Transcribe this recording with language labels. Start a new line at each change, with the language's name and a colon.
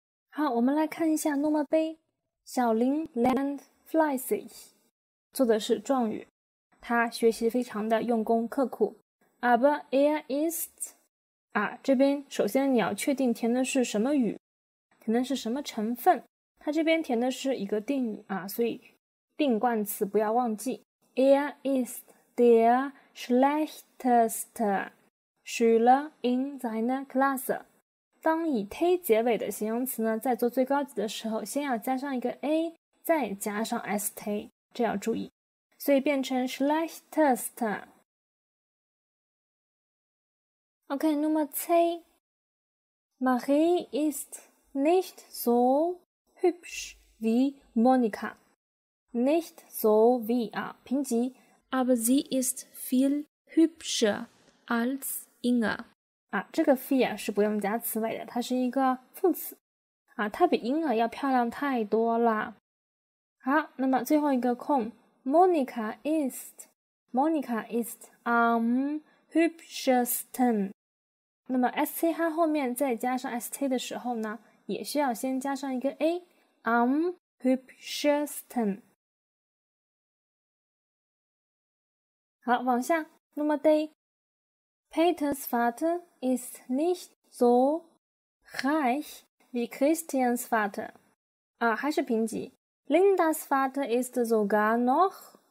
Chinese: 好，我们来看一下
German: Nummer B。
Chinese: 小林
German: land fleißig，
Chinese: 做的是状语，他学习非常的用功刻苦。
German: Aber er ist，
Chinese: 啊，这边首先你要确定填的是什么语，填的是什么成分。他这边填的是一个定语啊，所以定冠词不要忘记。
German: Er ist der schlechteste Schüler in seiner Klasse。
Chinese: 当以 t 结尾的形容词呢，在做最高级的时候，先要加上一个 a， 再加上 st， 这要注意。所以变成 schlechtest。
German: OK， Nummer C， Marie ist nicht so hübsch wie Monika， nicht so wie
Chinese: 啊，评级。
German: Aber sie ist viel hübscher als Inga。
Chinese: 啊，这个 fee 啊是不用加词尾的，它是一个副词啊，它比婴儿要漂亮太多了。好，那么最后一个空 ，
German: Monika ist am hübschesten。
Chinese: 那么 s t 它后面再加上 s t 的时候呢，也需要先加上一个 a，
German: am hübschesten。
Chinese: 好，往下
German: ，Nummer D。 Peters Vater ist nicht so reich wie Christians Vater.
Chinese: 啊，还是评级。
German: Linda's Vater ist sogar noch.